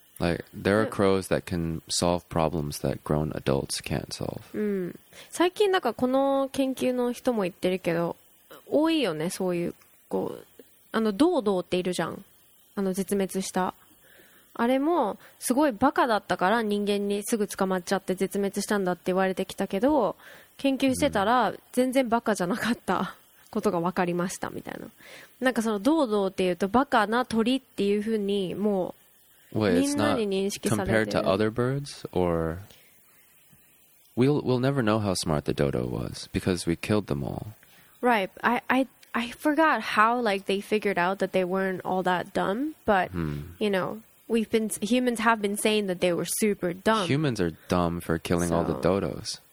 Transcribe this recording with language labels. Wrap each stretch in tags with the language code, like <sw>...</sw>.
<en>Like there are crows that can solve problems that grown adults can't solve.</en> <ja>最近なんかこの研究の人も言ってるけど。多いよね、そういう、こう、あの、ドードーっているじゃん。あの、絶滅した。あれも、すごいバカだったから人間にすぐ捕まっちゃって絶滅したんだって言われてきたけど、研究してたら、全然バカじゃなかったことが分かりました、みたいな。なんかその、ドードーっていうと、バカな鳥っていうふうに、もう、みんなに認識されてる。</ja> <en>Compared to other birds, or... We'll never know how smart the dodo was, because we killed them all. Right, I forgot how like they figured out that they weren't all that dumb, but you know, humans have been saying that they were super dumb. Humans are dumb for killing all the dodos.</en>